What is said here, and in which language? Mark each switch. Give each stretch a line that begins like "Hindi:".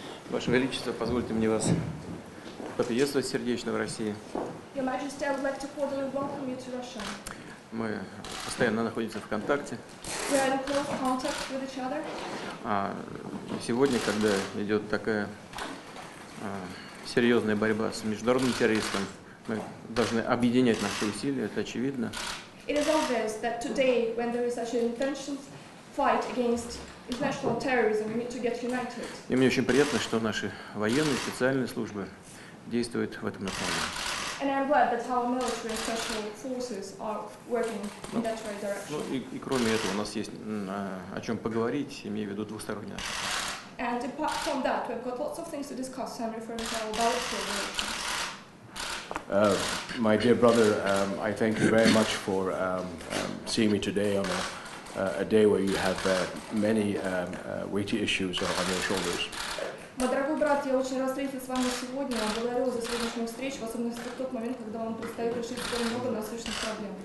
Russian: Ваше Величество, позвольте мне вас поприветствовать сердечно в России.
English: Your Majesty, I would like to cordially welcome you to Russia.
Russian: Мы постоянно находимся в контакте.
English: We are in close contact with each other.
Russian: А сегодня, когда идет такая серьезная борьба с международным террористом, мы должны объединять наши усилия, это очевидно.
English: It is obvious that today, when there is such an intentional fight against international terrorism, we need to get united.
Russian: И мне очень приятно, что наши военные специальные службы действуют в этом направлении.
English: And I'm glad that our military and special forces are working in that right direction.
Russian: Ну и кроме этого, у нас есть о чем поговорить, имею в виду двусторонние отношения.
English: And apart from that, we've got lots of things to discuss, and referring to our bilateral relations. My dear brother, I thank you very much for seeing me today on a day where you have many weighty issues on your shoulders.
Russian: Мой дорогой брат, я очень рад встретиться с вами сегодня. Благодарю за сегодняшнюю встречу, в особенности в тот момент, когда вам предстоит решить столь много насущных проблем.